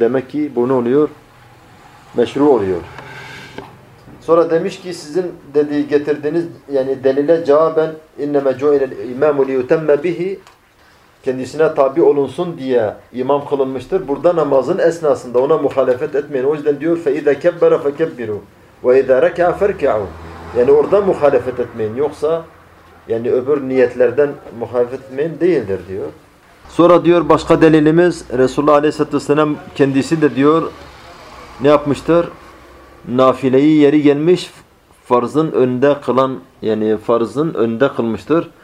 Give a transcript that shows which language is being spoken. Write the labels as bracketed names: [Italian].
[Turkish] Demek ki bu ne oluyor? Meşru oluyor. Sonra demiş ki sizin dediği getirdiğiniz yani delile cevaben [Arabic] اِنَّمَا جُعِلَ الْاِمَامُ لِيُتَمَّ بِهِ [Turkish] kendisine tabi olunsun diye imam kılınmıştır. Burada namazın esnasında ona muhalefet etmeyin. O yüzden diyor [Arabic] فَاِذَا كَبَّرَ فَكَبِّرُوا وَاِذَا رَكَا فَرْكَعُوا. [Turkish] Yani orada muhalefet etmeyin. Yoksa yani öbür niyetlerden muhalefet etmeyin değildir diyor. Sonra diyor başka delilimiz Resulullah Aleyhisselatü Vesselam kendisi de diyor ne yapmıştır? Nafileyi yeri gelmiş farzın önünde kılan yani farzın önünde kılmıştır.